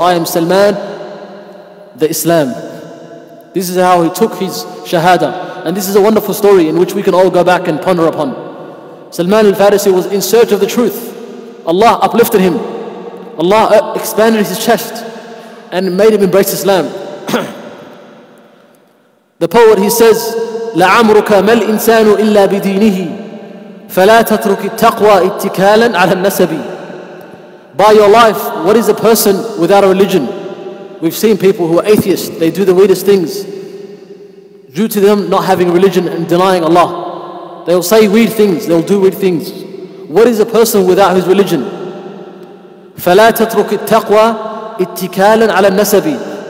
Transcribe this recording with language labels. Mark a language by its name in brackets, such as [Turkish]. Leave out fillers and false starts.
[English] I am Salman the Islam. This is how he took his Shahada. And this is a wonderful story in which we can all go back and ponder upon. Salman al-Farisi was in search of the truth. Allah uplifted him. Allah expanded his chest and made him embrace Islam. The poet, he says, [Arabic] لَعَمْرُكَ مَا الْإِنسَانُ إِلَّا بِدِينِهِ فَلَا تَتْرُكِ التَّقْوَى اتِّكَالًا عَلَى النَّسَبِ. [English] By your life, what is a person without a religion? We've seen people who are atheists, they do the weirdest things due to them not having religion and denying Allah. They'll say weird things, they'll do weird things. What is a person without his religion? [Arabic] فَلَا تَتْرُكِ التَّقْوَى اتِّكَالًا عَلَى النَّسَبِ.